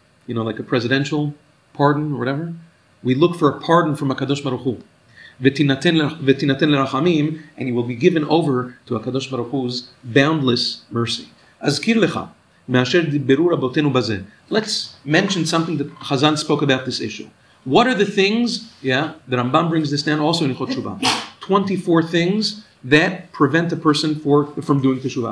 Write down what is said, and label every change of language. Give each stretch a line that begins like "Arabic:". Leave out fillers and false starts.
English: You know, like a presidential pardon or whatever. We look for a pardon from הקדוש ברוך הוא.
Hebrew: ותינתן לרחמים,
English: and you will be given over to הקדוש ברוך הוא's boundless mercy.
Hebrew: אזכיר לך, מאשר דיברו רבותינו בזה.
English: Let's mention something that Chazan spoke about this issue. What are the things, yeah, the Rambam brings this down also in הלכות תשובה, 24 things that prevent a person from doing תשובה.